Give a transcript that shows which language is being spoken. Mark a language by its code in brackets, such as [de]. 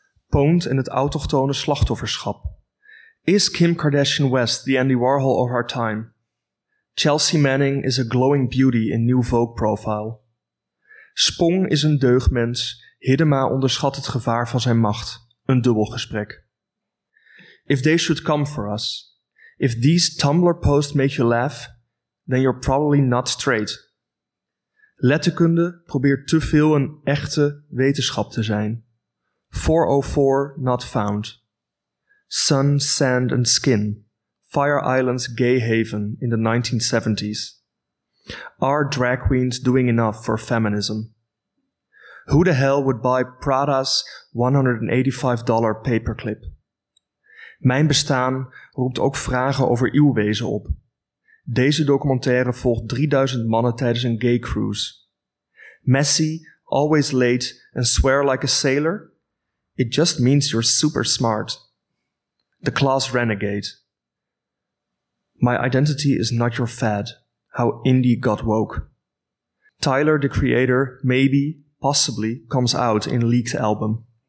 [nl] Pwned in het autochtone slachtofferschap. [en] Is Kim Kardashian West the Andy Warhol of our time? Chelsea Manning is a glowing beauty in New Vogue profile. [nl] Spong is een deugdmens. Hiddema onderschat het gevaar van zijn macht. Een dubbelgesprek. [en] if they should come for us. If these Tumblr posts make you laugh, then you're probably not straight. [nl] Letterkunde probeert te veel een echte wetenschap te zijn. [en] 404 not found. Sun, sand and skin. Fire Island's gay haven in the 1970s. Are drag queens doing enough for feminism? Who the hell would buy Prada's $185 paperclip? [nl] Mijn bestaan roept ook vragen over uw wezen op. Deze documentaire volgt 3000 mannen tijdens een gay cruise. [en] Messy, always late and swear like a sailor? It just means you're super smart. The class renegade. My identity is not your fad. How indie got woke. Tyler, the creator, maybe, possibly, comes out in leaked album.